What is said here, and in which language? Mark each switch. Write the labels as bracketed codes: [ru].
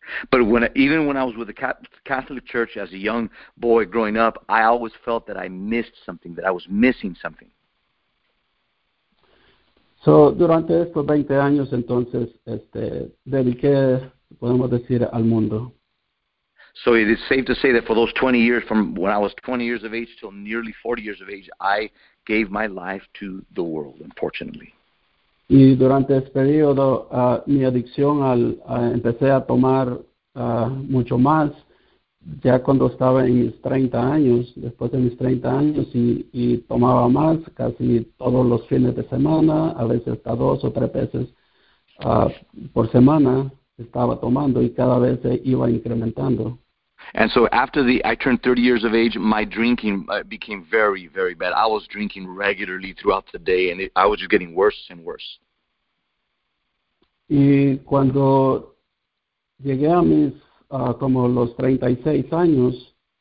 [en] But even when I was with the Catholic Church as a young boy growing up, I always felt that I missed something, that I was missing something. [es] So, durante estos 20 años, entonces, dediqué, podemos decir, al mundo. [en] So it is safe to say that for those 20 years, from when I was 20 years of age till nearly 40 years of age, I gave my life to the world, unfortunately. [es] Y durante ese periodo, mi adicción empecé a tomar mucho más, ya cuando estaba en mis 30 años, después de mis 30 años, y tomaba más casi todos los fines de semana, a veces hasta 2 o 3 veces por semana estaba tomando y cada vez se iba incrementando. [en] And so after I turned 30 years of age, my drinking became very, very bad. I was drinking regularly throughout the day, and I was just getting worse and worse. [es] Y cuando llegué a mis como los 36 años,